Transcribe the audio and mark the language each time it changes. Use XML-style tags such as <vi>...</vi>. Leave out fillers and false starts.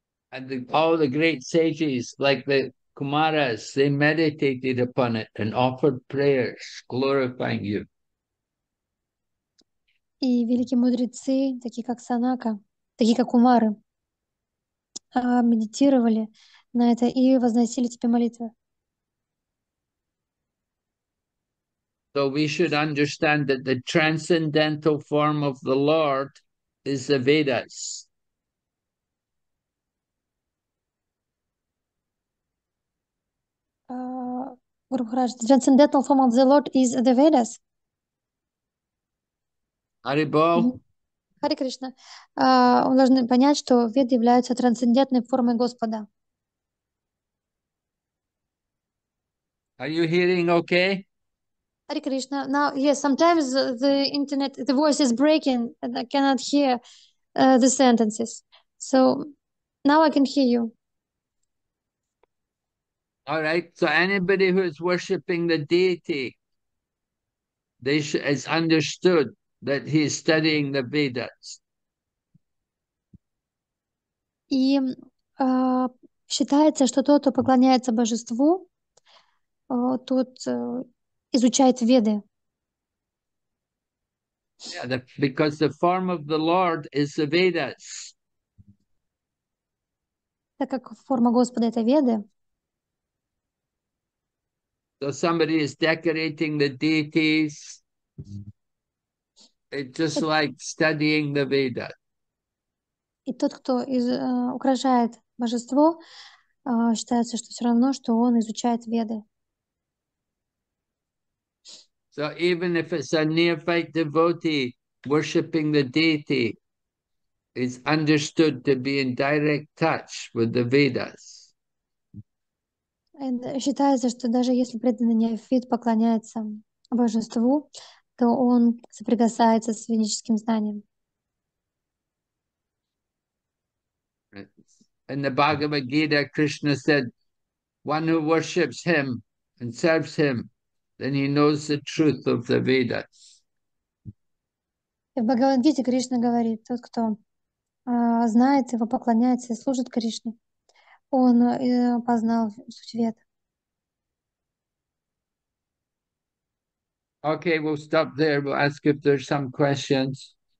<en>And all the great sages, like the Kumaras, they meditated upon it and offered prayers, glorifying you.</en> <ru>И великие мудрецы, такие как Санака, такие как Кумары, медитировали на это и возносили тебе молитвы.</ru> <en>So we should understand that the transcendental form of the Lord is the Vedas. Гуру Махарадж, the transcendental form of the Lord is the Vedas. Hare Bol.</en> <ru>Харе Кришна. Мы должны понять, что веды являются трансцендентной формой Господа.</ru> <en>Are you hearing okay?</en> <ru>Харе Кришна.</ru> <en>Now, yes, sometimes the internet, the voice is breaking and I cannot hear the sentences. So now I can hear you. All right. So anybody who is worshipping the deity, they is understood. That he is studying the Vedas.</en> <ru>И считается, что тот, кто поклоняется божеству, тот изучает веды.</ru> <en>Yeah, because the form of the Lord is the Vedas.</en> <ru>Так как форма Господа это веды.</ru> <en>So somebody is decorating the deities. It's just like studying the Veda.</en> <ru>И тот, кто украшает божество, считается, что все равно, что он изучает веды.</ru> <en>So even if it's a neophyte devotee worshipping the deity, it's understood to be in direct touch with the Vedas. And</en> <ru>считается, что даже если преданный неофит поклоняется божеству, то он соприкасается с ведическим знанием.</ru> <en>In the Bhagavad Gita, Krishna said, one who worships him and serves him, then he knows the truth of the Vedas.</en> <ru>В Бхагавад Гите Кришна говорит, тот, кто знает его, поклоняется и служит Кришне, он познал суть Вед.</ru> <en>Okay, we'll stop there. We'll ask if there's some questions.</en>